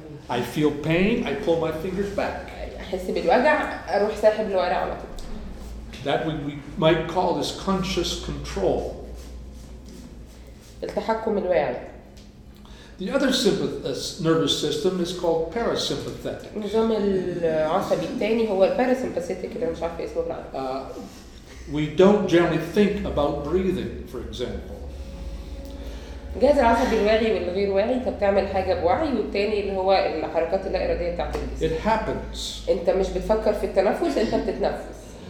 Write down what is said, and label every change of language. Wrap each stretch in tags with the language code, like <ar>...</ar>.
<en>I feel pain I pull my fingers back</en> <ar>احس بالوجع اروح ساحب الورقه على طول</ar> <en>That we might call this conscious control</en> <ar>التحكم الواعي</ar> <en>The other nervous system is called parasympathetic.</en> <ar>النظام العصبي الثاني هو parasympathetic اللي مش عارفه اسمه بالعربي.</ar> <en>We don't generally think about breathing, for example.</en> <ar>الجهاز العصبي الواعي والغير واعي انت بتعمل حاجه بوعي والثاني اللي هو الحركات اللا اراديه بتاعت الجسم.</ar> <en>It happens.</en> <ar>انت مش بتفكر في التنفس انت بتتنفس.</ar>